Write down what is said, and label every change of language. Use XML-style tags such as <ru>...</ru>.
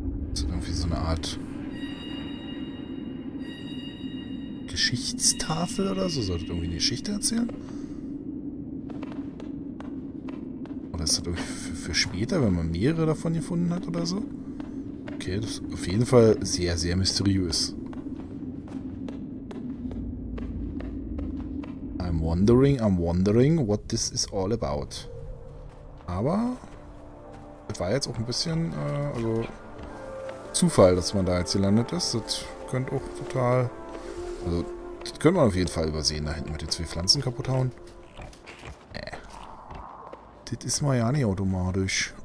<de>Das ist irgendwie so eine Art Geschichtstafel oder so. Sollte irgendwie eine Geschichte erzählen? Ist das für später, wenn man mehrere davon gefunden hat oder so? Okay, das ist auf jeden Fall sehr, sehr mysteriös.</de> <en>I'm wondering what this is all about.</en> <de>Aber es war jetzt auch ein bisschen also Zufall, dass man da jetzt gelandet ist. Das könnte auch total... Also, das könnte man auf jeden Fall übersehen, da hinten mit den zwei Pflanzen kaputt hauen. Das ist mal ja nicht automatisch.</de>